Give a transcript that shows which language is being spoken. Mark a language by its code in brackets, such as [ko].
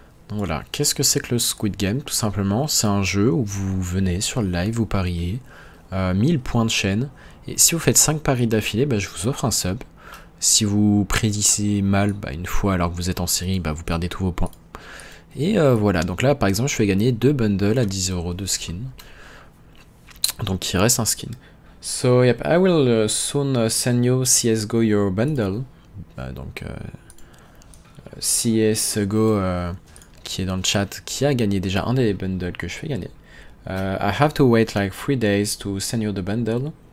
[fr] Voilà, qu'est-ce que c'est que le Squid Game? Tout simplement, c'est un jeu où vous venez sur le live, vous pariez 1000 points de chaîne, et si vous faites 5 paris d'affilée, bah, je vous offre un sub. Si vous prédisez mal, bah, une fois alors que vous êtes en série, bah, vous perdez tous vos points. Et voilà, donc là par exemple, je fais gagner 2 bundles à 10 € de skin. Donc il reste un skin. [en] So, yep, I will soon send you CSGO your bundle. [fr] Bah, donc, CSGO. Qui est dans le chat, qui a gagné déjà un des bundles que je fais gagner. [en] I have to wait like 3 days to send you the bundle.